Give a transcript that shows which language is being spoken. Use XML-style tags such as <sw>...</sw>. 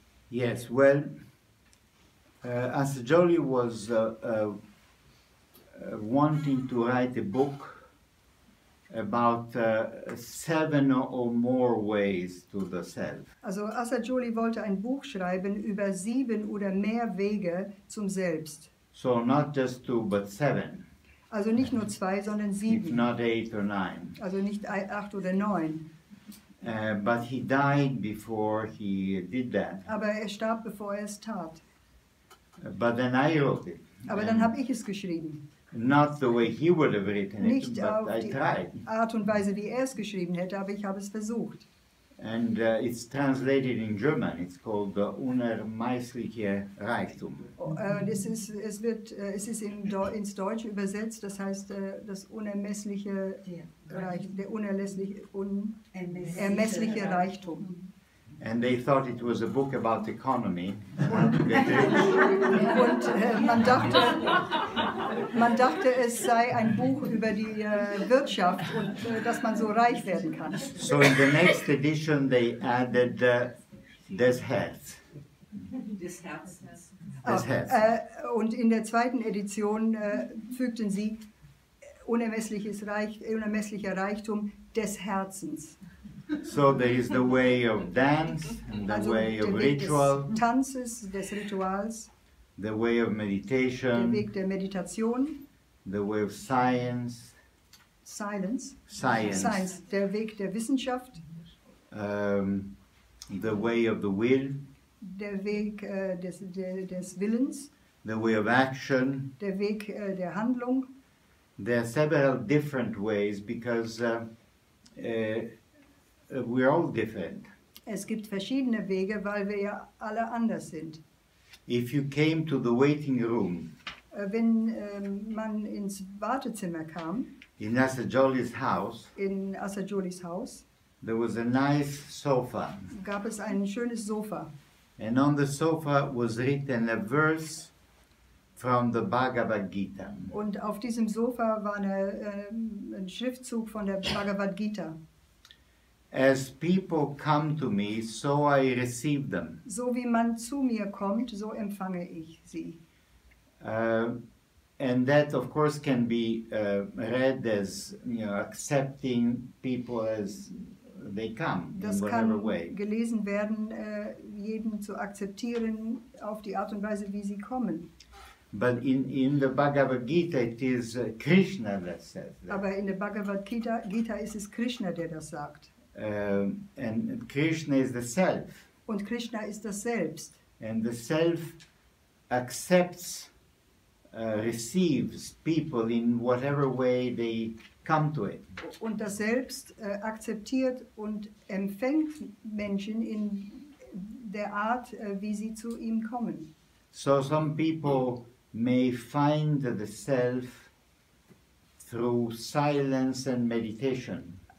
<en>Yes, well, Assagioli was wanting to write a book about seven or more ways to the self.</en> <de>Also Assagioli wollte ein Buch schreiben über sieben oder mehr Wege zum Selbst.</de> <en>So not just two, but seven.</en> <de>Also nicht nur zwei, sondern sieben.</de> <en>If not eight or nine.</en> <de>Also nicht acht oder neun.</de> <en>But he died before he did that.</en> <de>Aber er starb, bevor er es tat.</de> <en>But then I wrote it.</en> <de>Aber dann habe ich es geschrieben.</de> <en>Not the way he would have written</en> <de>nicht</de> <en>it, but</en> <de>auf</de> <en>I tried.</en> <de>Art und Weise, wie er es geschrieben hätte, aber ich habe es versucht.</de> <en>And it's translated in German. It's called the unermeßliche Reichtum.</en> <de>Ins Deutsche übersetzt. Das heißt, das unermessliche unermessliche Reichtum.</de> <en>And they thought it was a book about economy.</en> <de>Und man dachte, es sei ein Buch über die Wirtschaft und dass man so reich werden kann.</de> <en>So in the next edition they added des Herz.</en> <de>Des Herz. Und in der zweiten Edition fügten sie unermesslicher Reichtum des Herzens.</de> <en>So there is the way of dance and the</en> <de>also</de> <en>way of ritual.</en> <de>Des Tanzes, des Rituals,</de> <en>the way of meditation.</en> <de>Der Weg der Meditation.</de> <en>The way of science.</en> <de>Science. Der Weg der Wissenschaft.</de> <en>The way of the will.</en> <de>Der Weg des Willens.</de> <en>The way of action.</en> <de>Der Weg der Handlung.</de> <en>There are several different ways because we're all different.</en> <de>Es gibt verschiedene Wege, weil wir ja alle anders sind.</de> <en>If you came to the waiting room,</en> <de>wenn man ins Wartezimmer kam,</de> <en>in Assagioli's house, there was a nice sofa.</en> <de>Gab es ein schönes Sofa.</de> <en>And on the sofa was written a verse from the Bhagavad Gita.</en> <de>Und auf diesem Sofa war ein Schriftzug von der Bhagavad Gita.</de> <en>As people come to me, so I receive them.</en> <de>So wie man zu mir kommt, so empfange ich sie.</de> <en>And that, of course, can be read as, you know, accepting people as they come,</en> <de>das</de> <en>in whatever way.</en> <de>Kann gelesen werden, jeden zu akzeptieren auf die Art und Weise, wie sie kommen.</de> <en>But in the Bhagavad Gita, it is Krishna that says that.</en> <de>Aber in der Bhagavad Gita ist es Krishna, der das sagt.</de> <en>And Krishna is the self.</en> <de>Und Krishna ist das Selbst.</de> <en>And the self accepts, receives people in whatever way they come to it.</en> <de>Und das Selbst akzeptiert und empfängt Menschen in der Art, wie sie zu ihm kommen.</de> <en>So some people may find the self through silence and meditation.</en>